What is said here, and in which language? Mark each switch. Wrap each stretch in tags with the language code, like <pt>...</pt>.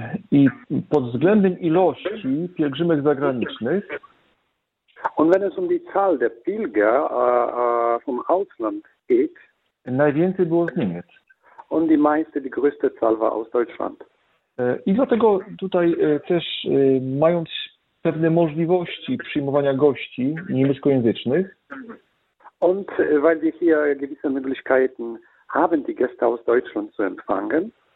<pl>I pod względem ilości pielgrzymek zagranicznych.</pl> <de>Und wenn es um die Zahl der Pilger vom Ausland geht.</de> <pl>Najwięcej było z Niemiec.</pl> <de>Und die größte Zahl war aus Deutschland.</de> <pl>I dlatego tutaj też mając pewne możliwości przyjmowania gości niemieckojęzycznych.</pl> <de>Und weil wir hier gewisse Möglichkeiten haben, die Gäste aus Deutschland zu empfangen.</de>